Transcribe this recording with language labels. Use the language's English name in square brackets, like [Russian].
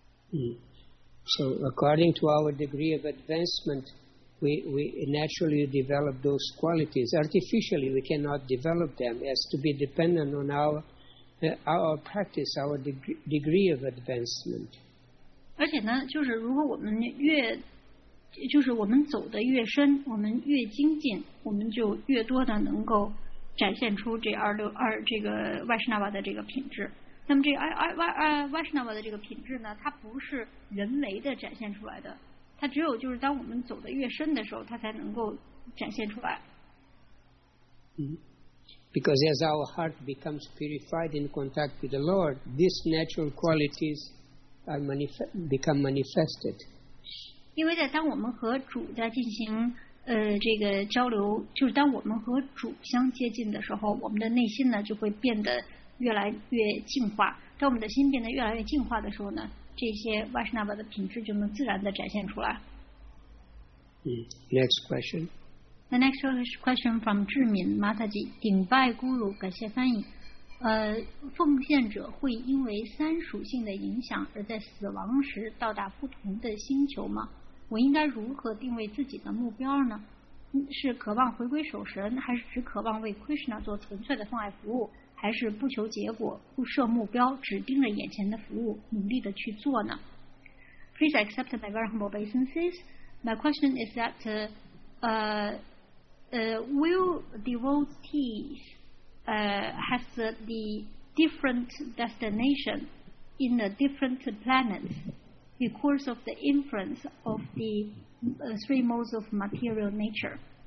[English] So according to our degree of advancement, we naturally develop those qualities. Artificially, we cannot develop them. It has to be dependent on our practice, our degree of advancement. [Chinese] 而且呢，就是如果我们越就是我们走得越深，我们越精进，我们就越多的能够展现出这这个 Vaishnava 的这个品质。那么这 Vaishnava 的这个品质呢，它不是人为的展现出来的，它只有就是当我们走得越深的时候，它才能够展现出来。 [English] Because as our heart becomes purified in contact with the Lord, these natural qualities are become manifested. [Chinese] 因为在当我们和主在进行这个交流，就是当我们和主相接近的时候，我们的内心呢就会变得越来越净化。当我们的心变得越来越净化的时候呢，这些 Vaishnava 的品质就能自然的展现出来。 [English] Next question. The next question from 智敏 Mataji. [Chinese] 顶拜 Guru, 感谢翻译。奉献者会因为三属性的影响而在死亡时到达不同的星球吗？我应该如何定位自己的目标呢？是渴望回归守神，还是只渴望为 Krishna 做纯粹的奉爱服务，还是不求结果，不设目标，只盯着眼前的服务，努力的去做呢？ [English] Please accept my very humble obeisances. My question is that will devotees has the different destination in the different planets because of the influence of the three modes of material nature.